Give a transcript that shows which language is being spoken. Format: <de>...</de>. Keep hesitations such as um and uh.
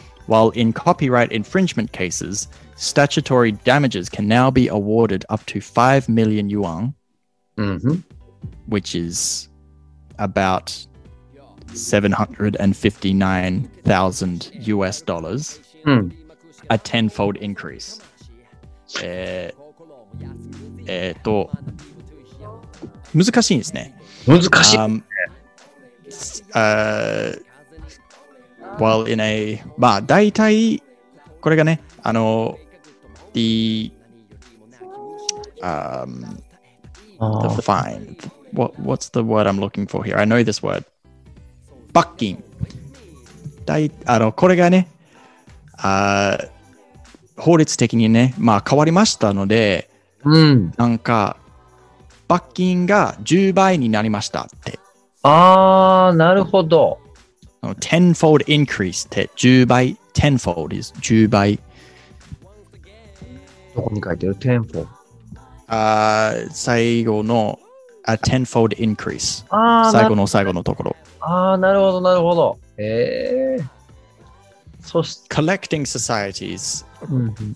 <en>While in copyright infringement cases, statutory damages can now be awarded up to 5 million yuan, mm-hmm. which is about 759,000 US dollars, mm. a tenfold increase.</en> <ja>Uh, えー、と難しいんですね。難しい。</ja> <en>Um, uh, well, in a, まあ、大体これがね、あの、 the, um, the fine. What, what's the word I'm looking for here? I know this word. 罰金。</en> <ja>大あのこれがねあ、法律的にね、まあ変わりましたので、うん、なんか罰金が10倍になりましたって。ああ、なるほど。 10fold increase って10倍。</ja> <en>10fold is 10倍。</en> <ja>どこに書いてる ?10fold。ああ、最後の、あ、10fold increase。ああ、最後の最後のところ。ああ、なるほど、なるほど。ええー、そして、collecting societies、うん。</ja>